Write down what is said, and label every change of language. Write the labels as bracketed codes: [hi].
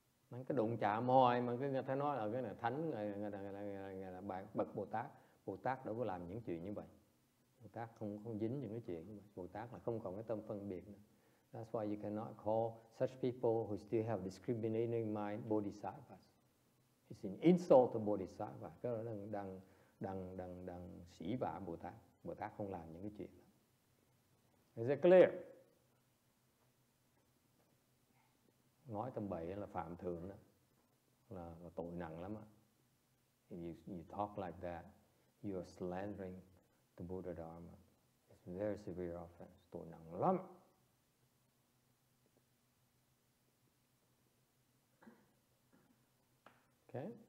[vi] Mình cứ đụng chạm hoài, mình cứ người ta nói là cái này thánh, là bậc Bồ Tát. Bồ Tát đâu có làm những chuyện như vậy. Bồ Tát không dính những cái chuyện như vậy. Bồ Tát là không còn cái tâm phân biệt nữa. [en] That's why you cannot call such people who still have discriminating mind bodhisattvas. It's an insult to bodhisattvas. [vi] Cái đó là đang sỉ vả Bồ Tát. Bồ Tát không làm những cái chuyện đó. [en] Is it clear? [vi] Nói tầm bậy là phạm thượng đó. Là tội nặng lắm á. [en] You talk like that, you are slandering the Buddha Dharma. It's very severe offense. [vi] Tội nặng lắm. [en] Okay.